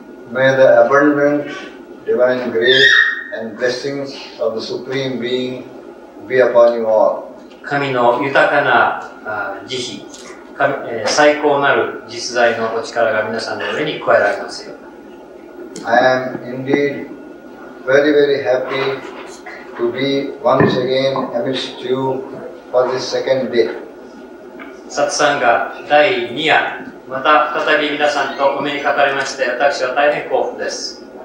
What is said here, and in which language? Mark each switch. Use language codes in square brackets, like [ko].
[en] May the abundant divine grace. And blessings of the Supreme Being be upon you all. [ja] 神の豊かな慈悲、最高なる実在のお力が皆さんの上に加えられますよ。 [en] I am indeed very, very happy to be once again amidst you for this second day. [ja] サツサンガ第2夜、また再び皆さんとお目にかかりまして、私は大変幸福です。